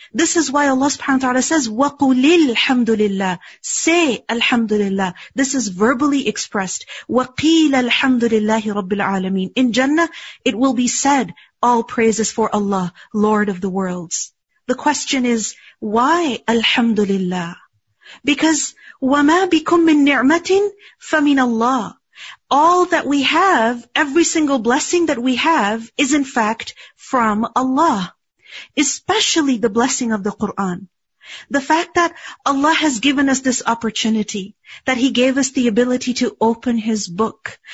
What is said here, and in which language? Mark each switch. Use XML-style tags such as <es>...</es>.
<en>This is why Allah subhanahu wa ta'ala says,</en> <ar>وَقُلِ الْحَمْدُ لِلَّهِ.</ar> <en>Say, Alhamdulillah. This is verbally expressed.</en> <ar>وَقِيلَ الْحَمْدُ لِلَّهِ رَبِّ الْعَالَمِينَ.</ar> <en>In Jannah, it will be said, all praises for Allah, Lord of the worlds. The question is, why Alhamdulillah?</en> <ar>Because وَمَا بِكُم مِّن نِعْمَةٍ فَمِنَ اللَّهِ.</ar> <en>All that we have, every single blessing that we have, is in fact from Allah. Especially the blessing of the Qur'an. The fact that Allah has given us this opportunity, that He gave us the ability to open His book.</en>